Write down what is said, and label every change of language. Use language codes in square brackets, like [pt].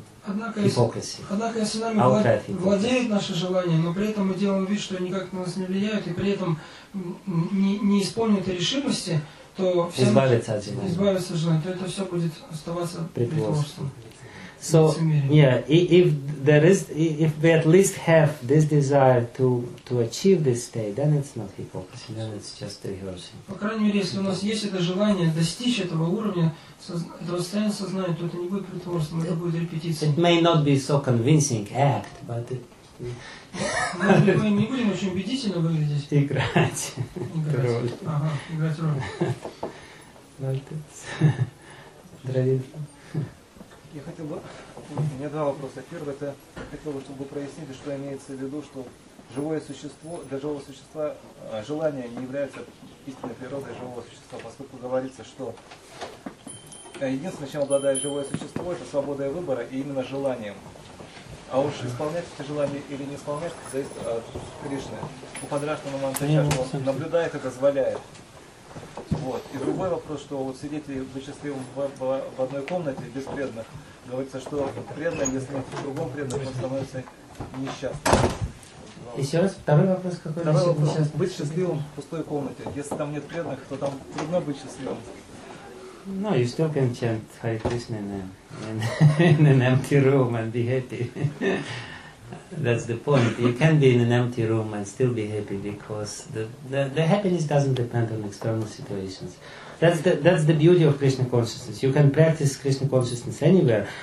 [ru] Однако, если нами владеют наши желания, но при этом мы делаем вид, что они как-то на нас не влияют, и при этом не исполняют решимости, то все избавиться от желания, то это все будет оставаться притворством. [en] So, yeah, if we at least have this desire to achieve this state, then it's not hypocrisy, then it's just rehearsing. [ru] По крайней мере, если у нас есть это желание достичь этого уровня, этого состояния сознания, то это не будет притворством, это будет репетиция. [en] It may not be so convincing act, but... [ru] Мы не будем очень убедительно выглядеть. Играть роль. Я хотел бы, у меня два вопроса. Первый, это хотел бы, чтобы вы прояснили, что имеется в виду, что живое существо, для живого существа желание не является истинной природой живого существа, поскольку говорится, что единственное, чем обладает живое существо, это свобода и выбора, и именно желанием. А уж исполнять эти желания или не исполнять, зависит от Кришны. У Падраштана Мантача, что он наблюдает и дозволяет. Вот. И другой вопрос, что вот сидите вы счастливым в одной комнате без преданных, говорится, что преданный, если в другом преданном, он становится несчастным. Еще раз, второй вопрос какой? Второй вопрос. Быть счастливым в пустой комнате. Если там нет преданных, то там трудно быть счастливым. [en] No, you still can chant Hare Krishna in an empty room and be happy. That's the point. You can be in an empty room and still be happy because the happiness doesn't depend on external situations. That's the beauty of Krishna consciousness. You can practice Krishna consciousness anywhere.